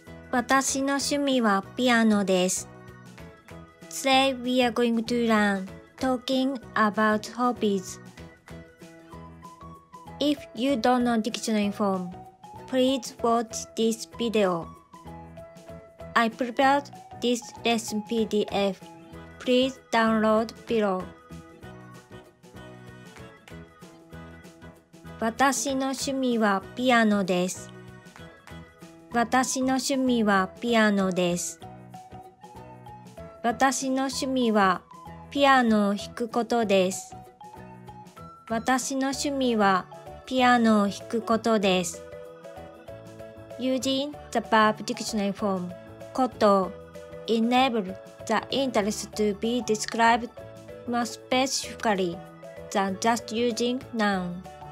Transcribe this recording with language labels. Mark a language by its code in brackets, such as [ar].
[ja] 私の趣味はピアノです。 [en] Today we are going to learn talking about hobbies. If you don't know dictionary form, please watch this video. I prepared this lesson PDF. Please download below. [ja] 私の趣味はピアノです。私の趣味はピアノです。私の趣味はピアノを弾くことです。私の趣味はピアノを弾くことです。 [en] Using the verb dictionary form, could enable the interest to be described more specifically than just using noun.